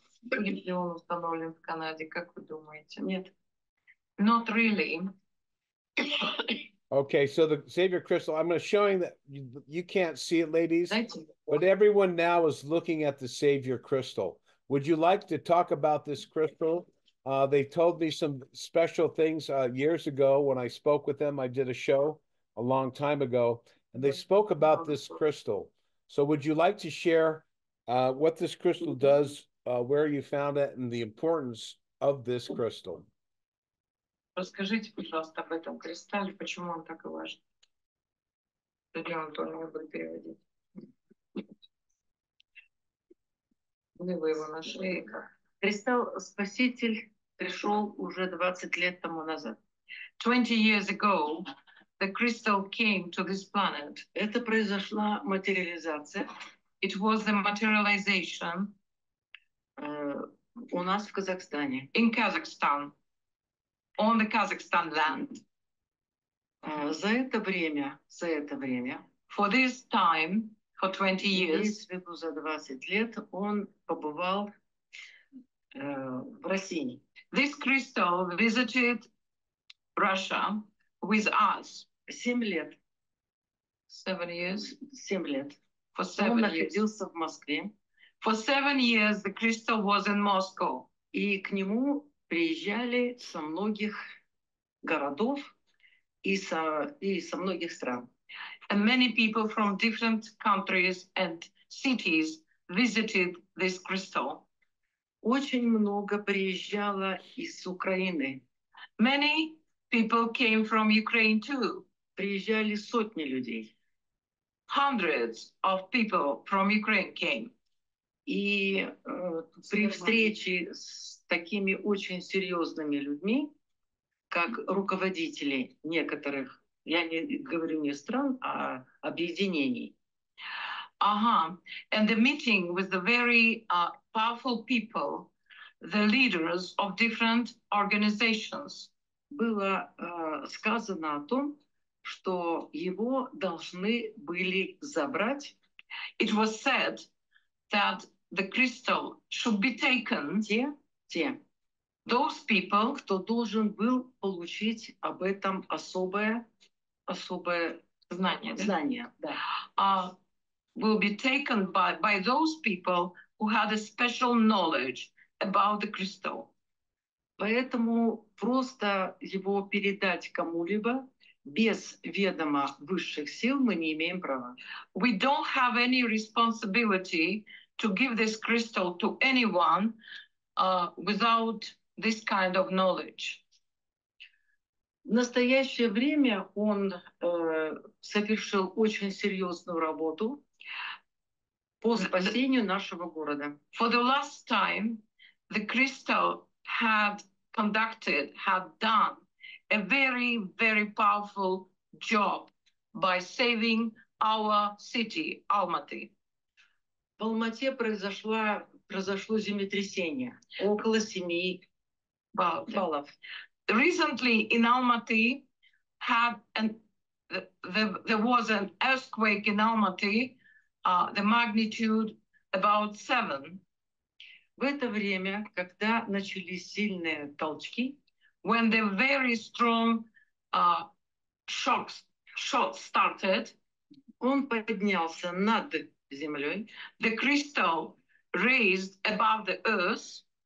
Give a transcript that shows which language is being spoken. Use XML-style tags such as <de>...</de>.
<ru>Будет ли он установлен в Канаде, как вы думаете? Нет.</ru> <en>Not really. Okay, so the Savior crystal, I'm just showing that you can't see it, ladies,</en> <ru>Дайте.</ru> <en>but everyone now is looking at the Savior crystal. Would you like to talk about this crystal? They told me some special things years ago when I spoke with them. I did a show a long time ago, and they spoke about this crystal. So would you like to share what this crystal does, where you found it, and the importance of this crystal?</en> <ru>Расскажите, пожалуйста, об этом кристалле, почему он так важен. Где он должен был переводить? Вы его нашли. Кристалл Спаситель пришел уже 20 лет тому назад.</ru> <en>20 years ago, the crystal came to this planet.</en> <ru>Это произошла материализация.</ru> <en>It was the materialization</en> <ru>у нас в Казахстане.</ru> <en>In Kazakhstan. On the Kazakhstan land.</en> <ru>За это время,</ru> <en>for this time, for 20 years,</en> <ru>за 20 лет он побывал в России.</ru> <en>This crystal visited Russia with us.</en> <ru>7 лет.</ru> <en>7 years.</en> <ru>7 лет.</ru> <en>For 7</en> <ru>years. Он находился в Москве.</ru> <en>For 7 years, the crystal was in Moscow.</en> <ru>И к нему приезжали со многих городов и со многих стран.</ru> <en>And many people from different countries and cities visited this crystal.</en> <ru>Очень много приезжало из Украины.</ru> <en>Many people came from Ukraine too.</en> <ru>Приезжали сотни людей.</ru> <en>Hundreds of people from Ukraine came.</en> <ru>И при встрече с такими очень серьезными людьми, как руководители некоторых, я не говорю не стран, а объединений. Ага.</ru> <en>And the meeting with the very powerful people, the leaders of different organizations.</en> <ru>Было сказано о том, что его должны были забрать.</ru> <en>It was said that the crystal should be taken. Those people,</en> <ru>кто должен был получить об этом особое знание, да.</ru> <en>Will be taken by those people who had a special knowledge about the crystal.</en> <ru>Поэтому просто его передать кому-либо без ведома высших сил мы не имеем права.</ru> <en>We don't have any responsibility to give this crystal to anyone without this kind of knowledge.</en> <ru>В настоящее время он совершил очень серьезную работу по спасению нашего города.</ru> <en>For the last time, the crystal had conducted, had done a very, very powerful job by saving our city, Almaty.</en> <ru>В Алмате произошло землетрясение около 7 баллов.</ru> <en>Recently in Almaty there was an earthquake in Almaty, the magnitude about 7.</en> <ru>В это время, когда начались сильные толчки,</ru> <en>when the very strong shocks started,</en> <ru>он поднялся над землей,</ru> <en>the crystal raised above the earth,</en>